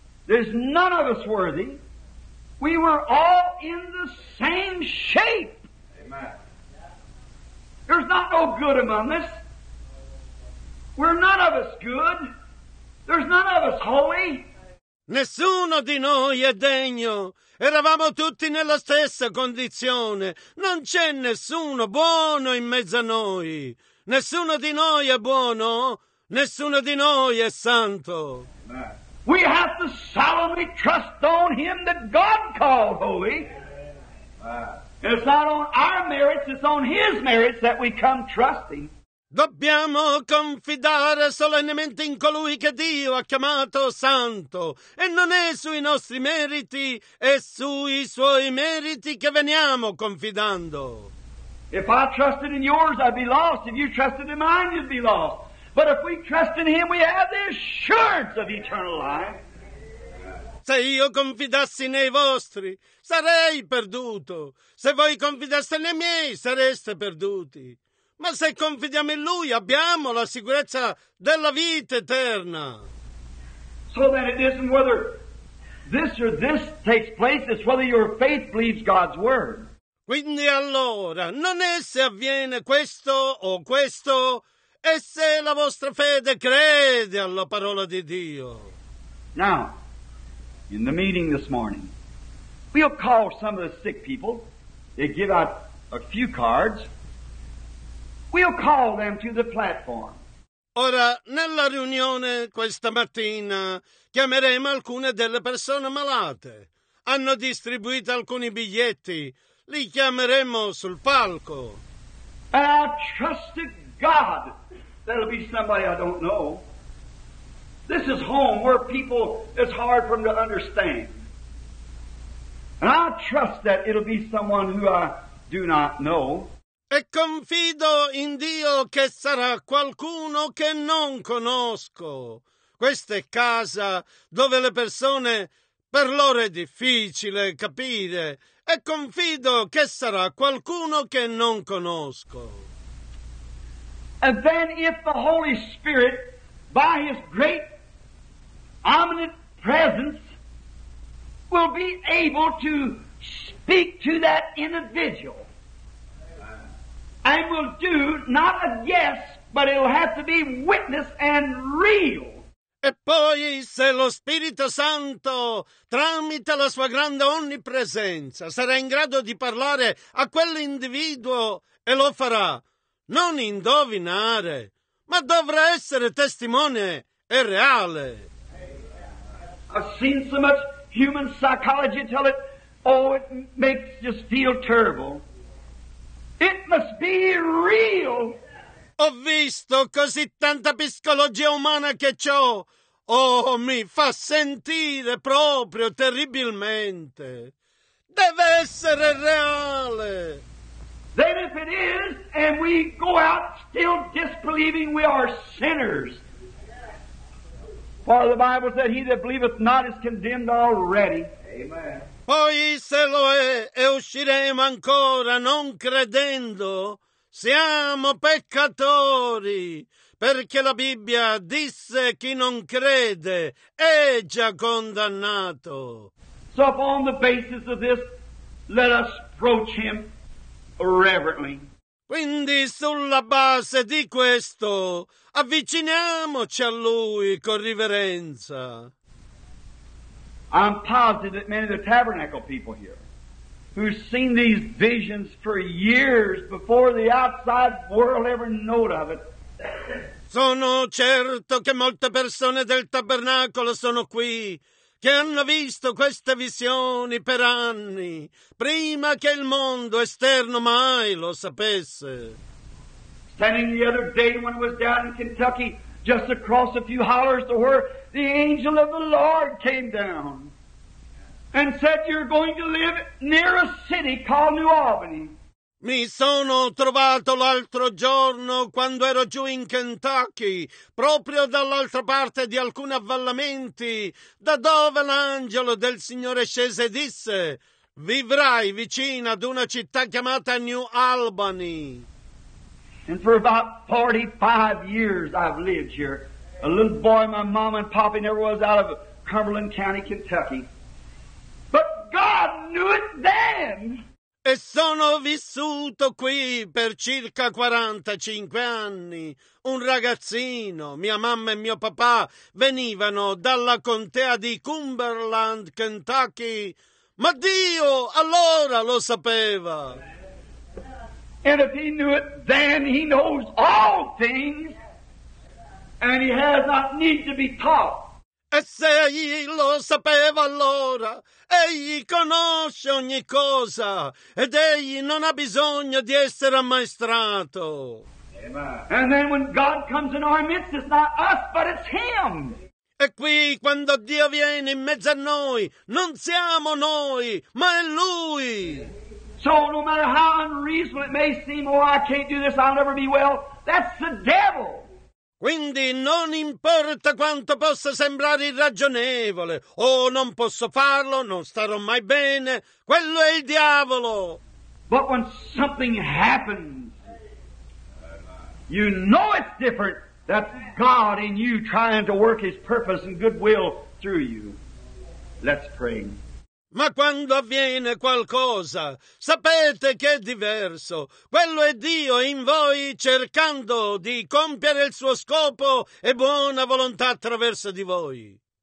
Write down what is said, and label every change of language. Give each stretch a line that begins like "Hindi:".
English: There's none of us worthy. We were all in the same shape. Amen. There's not no good among us. We're none of us good. There's none of us holy.
Italian: Nessuno di noi è degno. Eravamo tutti nella stessa condizione. Non c'è nessuno buono in mezzo a noi. Nessuno di noi è buono. Nessuno di noi è santo.
English: We have to solemnly trust on him that God called holy. It's not on our merits, it's on his merits that we come trusting.
Italian: Dobbiamo confidare solennemente in colui che Dio ha chiamato santo, e non è sui nostri meriti, è sui suoi meriti che veniamo confidando.
English: If I trusted in yours, I'd be lost. If you trusted in mine, you'd be lost. But if we trust in him, we have the assurance of eternal life.
Italian: Se io confidassi nei vostri, sarei perduto. Se voi confidaste nei miei, sareste perduti. Ma se confidiamo in Lui, abbiamo la sicurezza della vita eterna.
English: So that it isn't whether this or this takes place, it's whether your faith believes God's word.
Italian: Quindi allora, non è se avviene questo o questo, è se la vostra fede crede alla parola di Dio.
English: Now, in the meeting this morning, we'll call some of the sick people. They give out a few cards. We'll call them to the platform.
Italian: Ora, nella riunione questa mattina, chiameremo alcune delle persone malate. Hanno distribuito alcuni biglietti. Li chiameremo sul palco.
English: And I trust in God that'll be somebody I don't know. This is home where people, it's hard for them to understand. And I trust that it'll be someone who I do not know.
Italian: E confido in Dio che sarà qualcuno che non conosco. Questa è casa dove le persone, per loro è difficile capire. E confido che sarà qualcuno che non conosco.
English: And then if the Holy Spirit, by His great omnipotent presence, will be able to speak to that individual. And will do not a yes, but it will have to be witness and real.
Italian: E poi se lo Spirito Santo, tramite la sua grande onnipresenza, sarà in grado di parlare a quell'individuo e lo farà, non indovinare, ma dovrà essere testimone e reale.
English: I've seen so much human psychology tell it, oh, it makes you feel terrible. It must be real.
Italian: Ho visto così tanta psicologia umana che ciò, oh, mi fa sentire proprio terribilmente. Deve essere reale.
English: Then if it is, and we go out still disbelieving, we are sinners. For the Bible said, he that believeth not is condemned already. Amen.
Italian: Poi se lo è, e usciremo ancora non credendo, siamo peccatori, perché la Bibbia disse chi non crede è già condannato.
English: So upon the basis of this, let us approach him reverently.
Italian: Quindi sulla base di questo, avviciniamoci a Lui con riverenza.
English: I'm positive that many of the tabernacle people here, who've seen these visions for years before the outside world ever knew of it.
Italian: Sono certo che molte persone del tabernacolo sono qui, che hanno visto queste visioni per anni, prima che il mondo esterno mai lo sapesse.
English: Standing the other day when it was down in Kentucky, just across a few hollers to where the angel of the Lord came down and said, you're going to live near a city called New Albany.
Italian: Mi sono trovato l'altro giorno quando ero giù in Kentucky, proprio dall'altra parte di alcuni avvallamenti, da dove l'angelo del Signore scese e disse, vivrai vicino ad una città chiamata New Albany.
English: And for about 45 years I've lived here. A little boy, my mom and poppy never was out of Cumberland County, Kentucky. But God knew it then!
Italian: E sono vissuto qui per circa 45 anni. Un ragazzino, mia mamma e mio papà venivano dalla contea di Cumberland, Kentucky. Ma Dio allora lo sapeva.
English: And if he knew it, then he knows all things, and he has not need to be taught.
Italian: E se egli lo sapeva allora, egli conosce ogni cosa, ed egli non ha bisogno di essere ammaestrato.
English: Amen. And then when God comes in our midst, it's not us, but it's him.
Italian: E qui, quando Dio viene in mezzo a noi, non siamo noi, ma è Lui.
English: So no matter how unreasonable it may seem, oh, I can't do this, I'll never be well, that's the devil.
Italian: Quindi non importa quanto possa sembrare irragionevole, o non posso farlo, non starò mai bene, quello è il diavolo.
English: But when something happens, you know it's different. That's God in you trying to work His purpose and goodwill through you. Let's pray.
Italian: Ma quando avviene qualcosa, sapete che è diverso. Quello è Dio in voi cercando di compiere il suo scopo e buona volontà attraverso di voi.